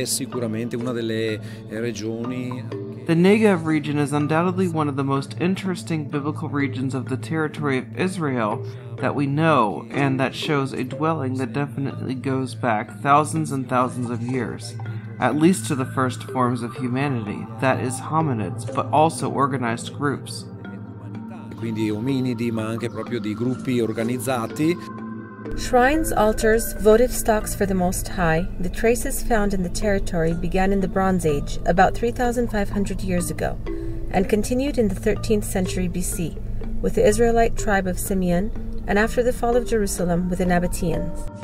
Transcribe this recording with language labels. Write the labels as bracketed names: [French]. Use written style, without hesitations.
[English] The Negev region is undoubtedly one of the most interesting biblical regions of the territory of Israel that we know, and that shows a dwelling that definitely goes back thousands and thousands of years, at least to the first forms of humanity, that is hominids, but also organized groups. [Italian] Quindi ominidi, ma anche proprio di gruppi organizzati. [English] Shrines, altars, votive stocks for the Most High, the traces found in the territory began in the Bronze Age, about 3,500 years ago, and continued in the 13th century BC, with the Israelite tribe of Simeon, and after the fall of Jerusalem, with the Nabataeans.